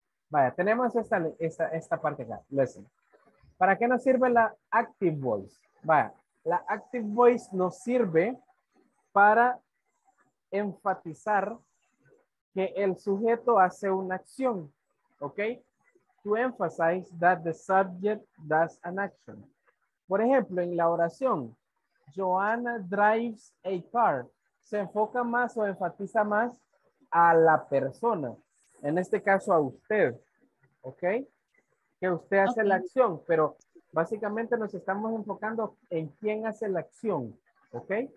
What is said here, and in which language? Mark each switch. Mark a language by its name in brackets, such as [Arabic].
[Spanish] Vaya, tenemos esta parte acá. Listen. ¿Para qué nos sirve la active voice? Vaya, la active voice nos sirve para enfatizar que el sujeto hace una acción. ¿Ok? [English] To emphasize that the subject does an action. [Spanish] Por ejemplo, en la oración, [English] Joanna drives a car, [Spanish] se enfoca más o enfatiza más a la persona, en este caso a usted, ¿ok? Que usted hace okay la acción, pero básicamente nos estamos enfocando en quién hace la acción, ¿ok?